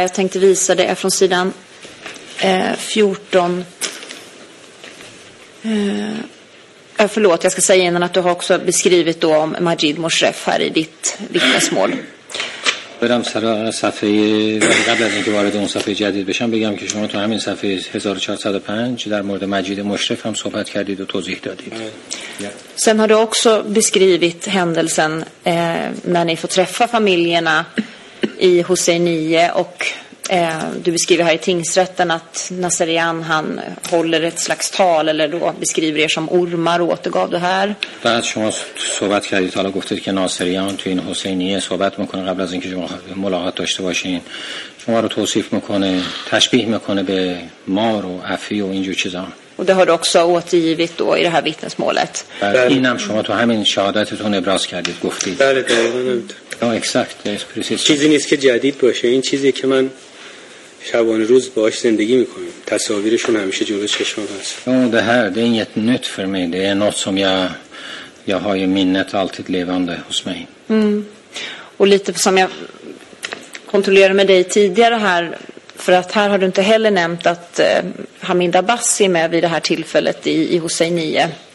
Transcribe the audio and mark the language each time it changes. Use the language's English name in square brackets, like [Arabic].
[Swedish] Jag tänkte visa det från sidan 14. Förlåt, jag ska säga innan att du har också beskrivit då om Majid Moshref här i ditt vittnesmål. [Persian] برم سر صفحه قبل از اینکه وارد اون صفحه جدید بشم بگم که شما تو همین صفحه 1405 در مورد مجید مشرف هم صحبت کردید و توضیح دادید. [Swedish] Sen har du också beskrivit händelsen när ni får träffa familjerna i Husseinie och du beskriver här i tingsrätten att Nasserian han håller ett slags tal eller då beskriver er som ormar och återgav det här. [Persian] بعد شما صحبت کردید حالا گفتید که ناصریان توی این حسینیه صحبت میکنه قبل از اینکه شما ملاقات داشته باشین شما رو توصیف میکنه تشبیه میکنه به مار و عفی و اینجور چیزا. [Swedish] Och det har du också återgivit då i det här vittnesmålet. Innan [Persian] شما تو همین شهادتتون ابراز کردید گفتید. بله دقیقاً. [Swedish] Ja, exakt. Det är precis. [Persian] چیزی نیست که جدید باشه، این چیزیه که من شبانه روز باهاش زندگی میکنم. تصاویرشون همیشه جلوی چشمم هست. [Swedish] Ja, det här det är inget nytt för mig. Det är något som jag har ju minnet alltid levande hos mig. Mm. Och lite som jag kontrollerade med dig tidigare här. För att här har du inte heller nämnt att Hamid Abbas är med vid det här tillfället i Husseinie.